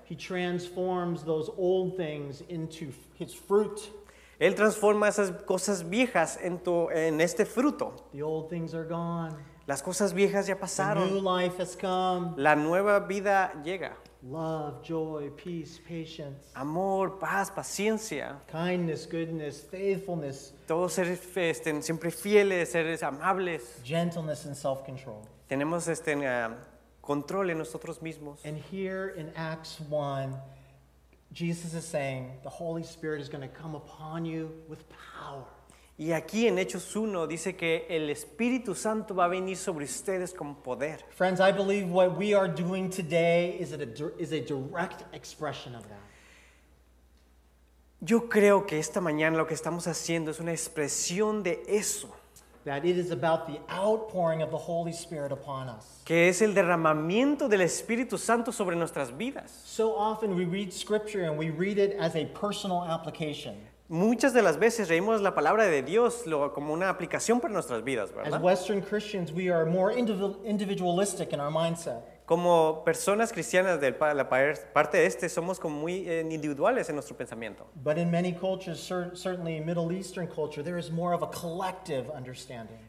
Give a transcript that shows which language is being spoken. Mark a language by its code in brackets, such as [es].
[en] He transforms those old things into his fruit. [es] Él transforma esas cosas viejas en este fruto. [en] The old things are gone. [es] Las cosas viejas ya pasaron. [en] The new life has come. [es] La nueva vida llega. [en] Love, joy, peace, patience. [es] Amor, paz, paciencia. [en] Kindness, goodness, faithfulness. [es] Todos ser siempre fieles, seres amables. [en] Gentleness and self-control. [es] Tenemos control en nosotros mismos. [en] And here in Acts 1, Jesus is saying, the Holy Spirit is going to come upon you with power. [es] Y aquí en Hechos 1 dice que el Espíritu Santo va a venir sobre ustedes con poder. [en] Friends, I believe what we are doing today is a direct expression of that. [es] Yo creo que esta mañana lo que estamos haciendo es una expresión de eso. [en] That it is about the outpouring of the Holy Spirit upon us. [es] Que es el derramamiento del Espíritu Santo sobre nuestras vidas. [en] So often we read scripture and we read it as a personal application. [es] Muchas de las veces leemos la palabra de Dios como una aplicación para nuestras vidas, ¿verdad? [en] As Western Christians, we are more individualistic in our mindset. [es] Como personas cristianas de la parte este, somos como muy individuales en nuestro pensamiento. [en] But in many cultures, certainly in Middle Eastern culture, there is more of a collective understanding.